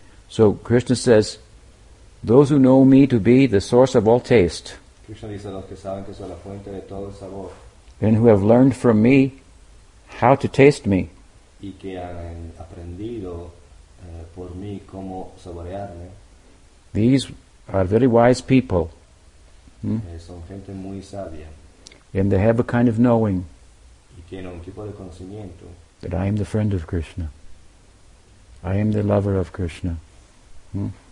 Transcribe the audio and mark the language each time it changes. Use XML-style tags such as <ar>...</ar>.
<en>So Krishna says, those who know me to be the source of all taste,</en> <es>Krishna dice, los que saben que soy la fuente de todo sabor,</es> <en>and who have learned from me how to taste me,</en> <es>y que han aprendido, por mí cómo saborearme,</es> <en>these are very wise people.</en> <es>Hmm? Son gente muy sabia.</es> <en>And they have a kind of knowing,</en> <es>y tiene un tipo de conocimiento,</es> <en>that I am the friend of Krishna. I am the lover of Krishna. Hmm?</en>